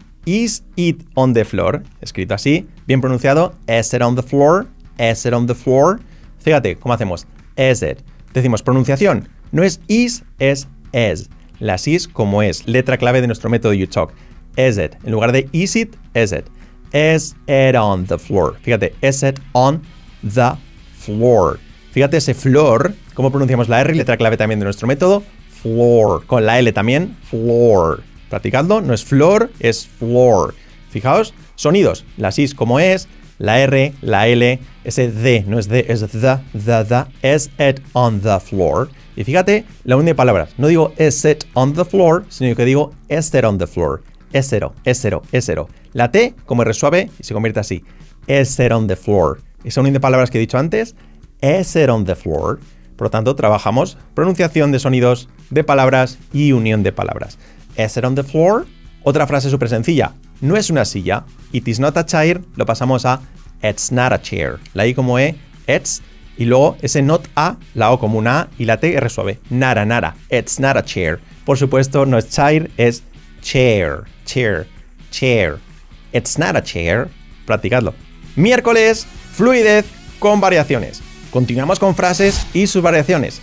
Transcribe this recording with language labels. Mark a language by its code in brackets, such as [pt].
[en] ¿Is it on the floor? [es] Escrito así, bien pronunciado, [en] ¿is it on the floor? ¿Is it on the floor? [es] Fíjate, ¿cómo hacemos? [en] ¿Is it? [es] Decimos pronunciación, no es is, es is. La is como es, letra clave de nuestro método YouTalk. [en] Is it. [es] En lugar de [en] is it, is it. Is it on the floor. Fíjate, is it on the floor. [es] Fíjate ese floor, cómo pronunciamos la R, letra clave también de nuestro método. Floor. Con la L también, floor. Practicando, no es floor, es floor. Fijaos, sonidos. La is como es, la R, la L, ese D, no es D, es the. [en] Is it on the floor. [es] Y fíjate, la unión de palabras. No digo [en] is it on the floor, [es] sino que digo [en] is it on the floor. Is it, is it, is it. [es] La T como R suave y se convierte así. [en] Is it on the floor. [es] Esa unión de palabras que he dicho antes, is it on the floor. Por lo tanto, trabajamos pronunciación de sonidos, de palabras y unión de palabras. [en] Is it on the floor. [es] Otra frase súper sencilla. No es una silla. [en] It is not a chair. [es] Lo pasamos a [en] it's not a chair. [es] La I como E, it's. Y luego ese not a, la O como una A y la T R suave. Nara, nara. [en] It's not a chair. [es] Por supuesto, no es chair, es chair. [en] Chair. Chair. It's not a chair. Practicadlo. [es] Miércoles, fluidez con variaciones. Continuamos con frases y sus variaciones.